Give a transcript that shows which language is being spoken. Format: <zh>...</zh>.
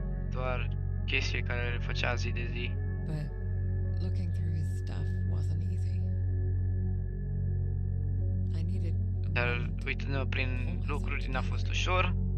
<ro>Doar chestii care le făcea zi de zi.</ro> <en>But looking through his stuff wasn't easy. I needed a</en> <ro>Dar uitându-mă prin lucruri n-a fost ușor.</ro>